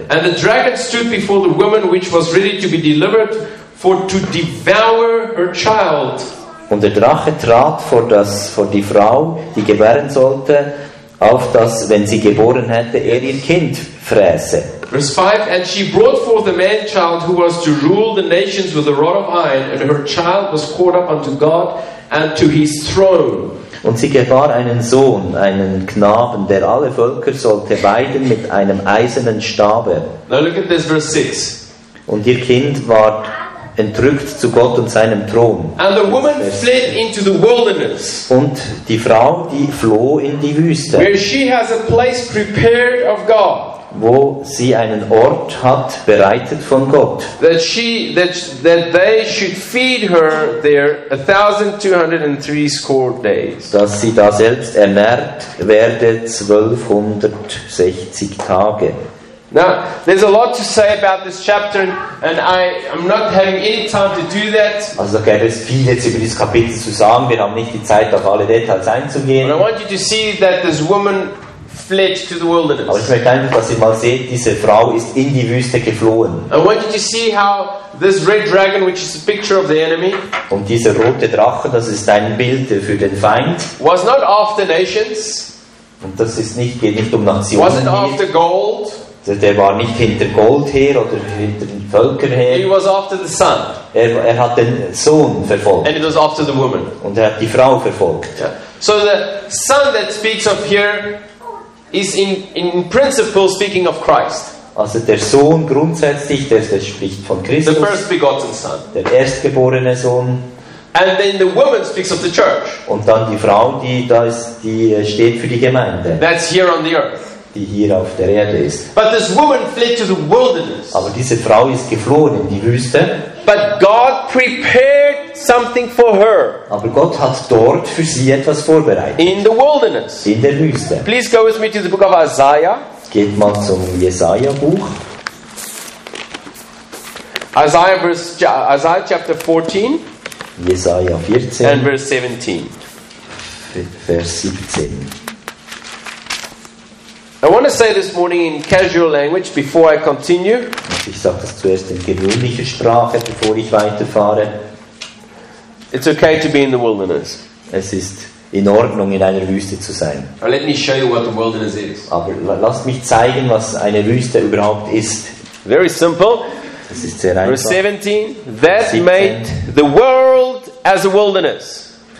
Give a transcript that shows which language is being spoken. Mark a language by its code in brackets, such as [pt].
[en] And the dragon stood before the woman which was ready to be delivered for to devour her child. [de] Und der Drache trat vor die Frau, die gebären sollte, auf das, wenn sie geboren hätte, er ihr Kind fräße. [en] Verse 5, and she brought forth a man-child who was to rule the nations with a rod of iron, and her child was caught up unto God and to his throne. [de] Und sie gebar einen Sohn, einen Knaben, der alle Völker sollte weiden mit einem eisernen Stabe. [en] Now look at this, verse 6. [de] Und ihr Kind ward entrückt zu Gott und seinem Thron. [en] And the woman fled into the wilderness. [de] Und die Frau, die floh in die Wüste. [en] Where she has a place prepared of God. [de] Wo sie einen Ort hat, bereitet von Gott. [en] That they should feed her there 1,203 score days. [de] Dass sie da selbst ernährt werde 1,260 Tage. [en] Now, there's a lot to say about this chapter, and I'm not having any time to do that. [de] Also da gäbe es viel jetzt über dieses Kapitel zu sagen. Wir haben nicht die Zeit, auf alle Details einzugehen. [en] But I want you to see that this woman fled to the wilderness. [de] Aber ich möchte einfach, dass ihr mal seht, diese Frau ist in die Wüste geflohen. [en] I want you to see how this red dragon, which is a picture of the enemy, [de] und dieser rote Drache, das ist ein Bild für den Feind, [en] was not after nations. [de] Und das ist nicht, geht nicht um Nationen. [en] Was it after gold? [de] Der war nicht hinter Gold her oder hinter den Völkern her. [en] He was after the sun. [de] Er hat den Sohn verfolgt. [en] And it was after the woman. [de] Und er hat die Frau verfolgt. [en] Yeah. So the sun that speaks of here is in principle speaking of Christ. [de] Also der Sohn grundsätzlich, der spricht von Christus. [en] The first begotten son. [de] Der erstgeborene Sohn. [en] And then the woman speaks of the church. [de] Und dann die Frau, die da ist, die steht für die Gemeinde. [en] That's here on the earth. [de] Die hier auf der Erde ist. [en] But this woman fled to the wilderness. [de] Aber diese Frau ist geflohen in die Wüste. [en] But God prepared something for her. [de] Aber Gott hat dort für sie etwas vorbereitet. [en] In the wilderness. [de] In der Wüste. [en] Please go with me to the book of Isaiah. [de] Geht mal zum Jesaja Buch. [en] Isaiah chapter 14. [de] Jesaja 14. [en] And verse 17. [de] Vers 17. [en] I want to say this morning in casual language before I continue. [de] Ich sage das zuerst in gewöhnlicher Sprache, bevor ich weiterfahre. [en] It's okay to be in the wilderness. [de] Es ist in Ordnung, in einer Wüste zu sein. [en] Or let me show you what the wilderness is. [de] Aber lasst mich zeigen, was eine Wüste überhaupt ist. [en] Very simple. [de] Das ist sehr einfach. [en] Verse 17. That 17. Made the world as a wilderness.